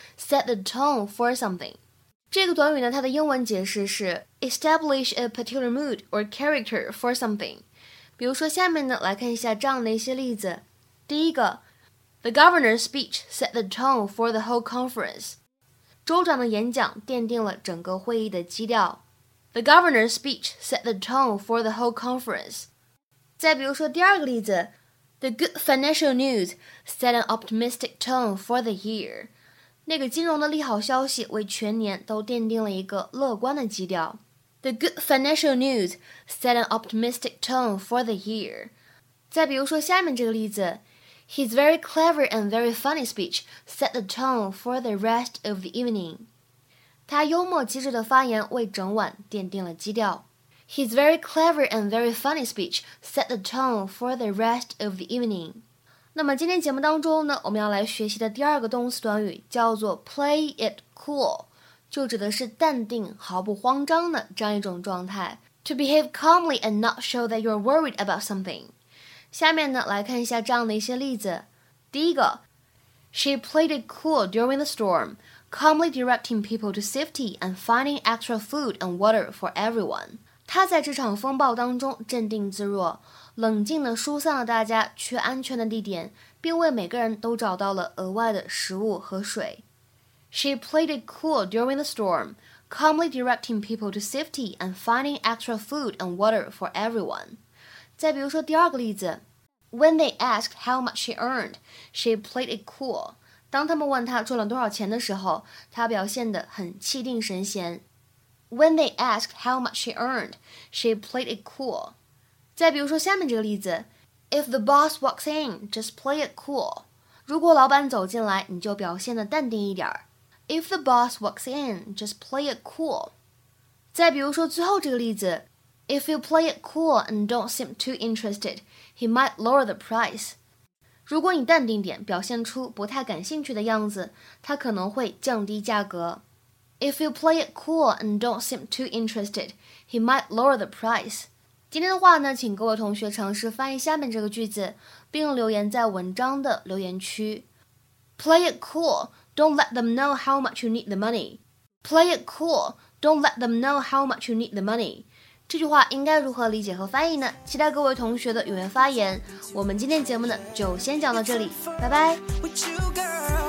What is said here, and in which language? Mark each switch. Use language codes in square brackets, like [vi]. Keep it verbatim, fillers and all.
[en] Set the tone for something。 [zh] 这个短语呢，它的英文解释是 [en] establish a particular mood or character for something。 [zh] 比如说下面呢，来看一下这样的一些例子。第一个 [en] ，The governor's speech set the tone for the whole conference。 [zh] 州长的演讲奠定了整个会议的基调。 [en] The governor's speech set the tone for the whole conference. [zh] 再比如说第二个例子 [en] ，The good financial news set an optimistic tone for the year. [zh] 那个金融的利好消息为全年都奠定了一个乐观的基调。 [en] The good financial news set an optimistic tone for the year. [zh] 再比如说下面这个例子。 [en] His very clever and very funny speech set the tone for the rest of the evening. [zh] 他幽默机智的发言为整晚奠定了基调。 [en] His very clever and very funny speech set the tone for the rest of the evening. [zh] 那么今天节目当中呢，我们要来学习的第二个动词短语叫做 play it cool， 就指的是淡定、毫不慌张的这样一种状态。 [en] To behave calmly and not show that you're worried about something. [zh] 下面呢，来看一下这样的一些例子。第一个 [en] ，She played it cool during the storm, calmly directing people to safety and finding extra food and water for everyone. [zh] 她在这场风暴当中镇定自若，冷静地疏散了大家去安全的地点，并为每个人都找到了额外的食物和水。 [en] She played it cool during the storm, calmly directing people to safety and finding extra food and water for everyone. [zh] 再比如说第二个例子 [en] When they asked how much she earned, she played it cool. [zh] 当他们问她赚了多少钱的时候，她表现得很气定神闲。 [en] When they asked how much she earned, she played it cool. [zh] 再比如说下面这个例子 [en] If the boss walks in, just play it cool. [zh] 如果老板走进来，你就表现得淡定一点。 [en] If the boss walks in, just play it cool. [zh] 再比如说最后这个例子 [en] If you play it cool and don't seem too interested, he might lower the price. [zh] 如果你淡定点，表现出不太感兴趣的样子，它可能会降低价格。 [en] If you play it cool and don't seem too interested, he might lower the price. [zh] 今天的话呢，请各位同学尝试翻译下面这个句子，并留言在文章的留言区。 [en] Play it cool, don't let them know how much you need the money. Play it cool, don't let them know how much you need the money. [zh] 这句话应该如何理解和翻译呢？期待各位同学的踊跃发言。我们今天节目呢，就先讲到这里，拜拜。